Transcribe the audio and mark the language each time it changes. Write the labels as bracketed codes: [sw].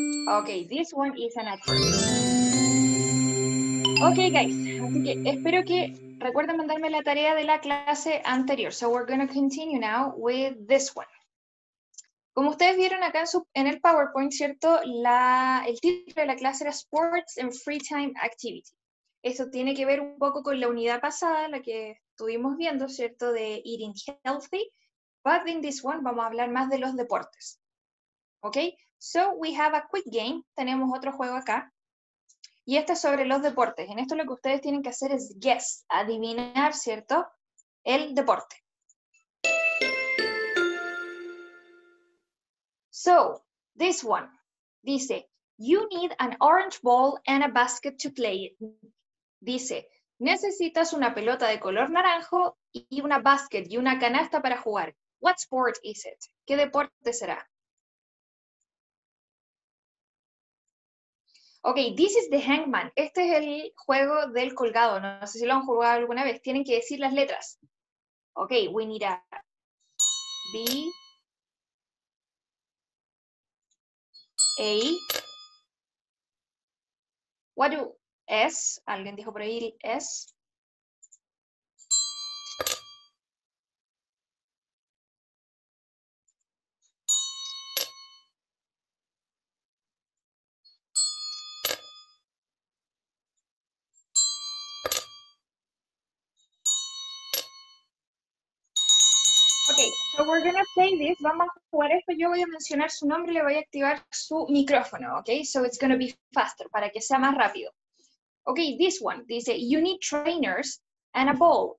[en] Okay, this one is an adverb. Okay, guys. [es] Así que espero que recuerden mandarme la tarea de la clase anterior. [en] So we're going to continue now with this one. [es] Como ustedes vieron acá en el PowerPoint, ¿cierto? El título de la clase era [en] Sports and Free Time Activity. [es] Esto tiene que ver un poco con la unidad pasada, la que estuvimos viendo, ¿cierto? De [en] eating healthy. But in this one, [es] vamos a hablar más de los deportes. ¿Ok? [en] So, we have a quick game. [es] Tenemos otro juego acá. Y este es sobre los deportes. En esto lo que ustedes tienen que hacer es guess, adivinar, ¿cierto? El deporte. [en] So, this one. Dice, you need an orange ball and a basket to play it. [es] Dice, necesitas una pelota de color naranjo y una basket y una canasta para jugar. [en] What sport is it? [es] ¿Qué deporte será? [en] Ok, this is the hangman. [es] Este es el juego del colgado. No sé si lo han jugado alguna vez. Tienen que decir las letras. [en] Ok, we need a B, A, what do... [es] S, alguien dijo por ahí S. [en] Okay, so we're gonna play this. [es] Vamos a jugar esto. Yo voy a mencionar su nombre y le voy a activar su micrófono, okay? [en] So it's gonna be faster, [es] para que sea más rápido. [en] Okay, this one, dice, you need trainers and a ball.